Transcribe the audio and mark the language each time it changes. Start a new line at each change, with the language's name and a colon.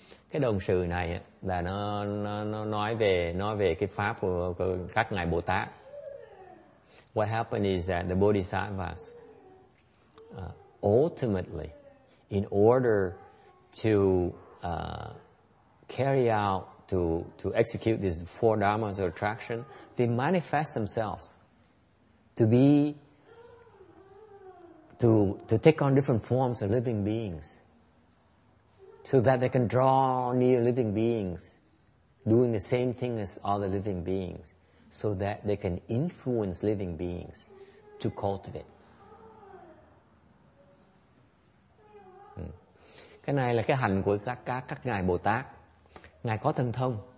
Vietnamese: Cái đồng sự này là nó nói về cái pháp của các ngài Bồ Tát.
English: What happened is that the bodhisattvas ultimately, in order to carry out, to execute these four dharmas of attraction, they manifest themselves to take on different forms of living beings so that they can draw near living beings doing the same thing as other living beings so that they can influence living beings to cultivate.
Vietnamese: Cái này là cái hành của các ngài Bồ Tát. Ngài có thần thông.